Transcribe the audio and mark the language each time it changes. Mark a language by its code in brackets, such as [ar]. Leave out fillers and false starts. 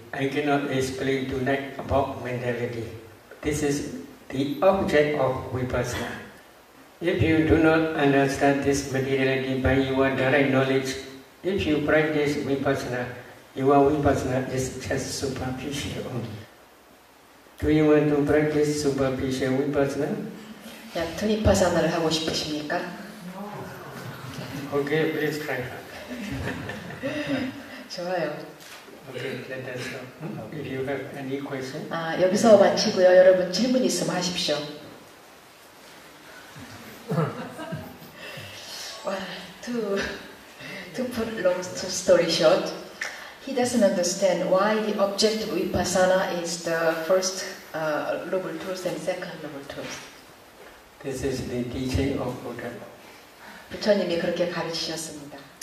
[en] I cannot explain tonight about mentality. This is the object of Vipassanā. If you do not understand this materiality by your direct knowledge, if you practice Vipassanā, your Vipassanā is just superficial only. Do you want to practice superficial Vipassanā? [ko] 얕은 위파사나를 하고 싶으십니까? [en] Okay, please try. [ko] 좋아요. [en] Okay, let us go. If you have any question. [ko] 아, 여기서 마치고요. 여러분 질문 있으면 하십시오. [en] 와, to put long story short, he doesn't understand why the object of Vipassanā is the first noble truth and second noble truth. This is the teaching of Buddha. [ko] 부처님이 그렇게 가르치셨습니다.